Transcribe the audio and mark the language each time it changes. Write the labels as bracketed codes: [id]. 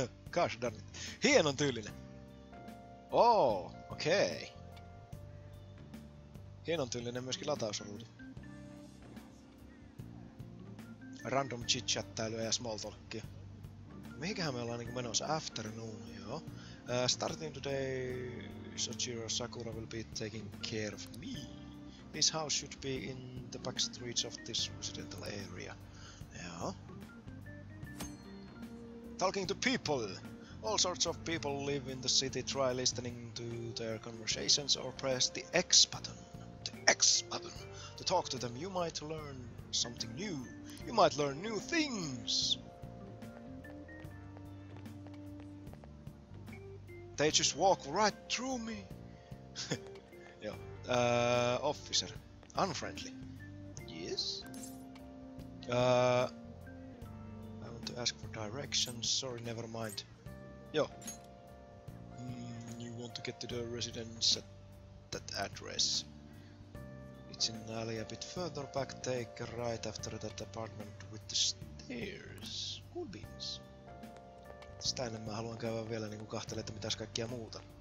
[en] Gosh darn it. [fi] Hienon tyylinen. [en] Oh, okei. Okay. [fi] Hienon tyylinen myöskin latausruudu. Random chit-chattailuja ja small talkia. Mihinkähän me ollaan niinku menossa? [en] Afternoon, joo. Starting today, Sojiro Sakura will be taking care of me. This house should be in the back streets of this residential area. Joo. Talking to people! All sorts of people live in the city. Try listening to their conversations or press the X button. The X button! To talk to them, you might learn something new. You might learn new things! They just walk right through me! Joo. Officer. Unfriendly. Yes. I want to ask for directions. Sorry, never mind. Yo. You want to get to the residence at that address. It's in an alley a bit further back. Take a right after that apartment with the stairs. Cool beans. [fi] Sitä ennen mä haluan käydä vielä niinku kahtelee, että mitäs kaikkia muuta.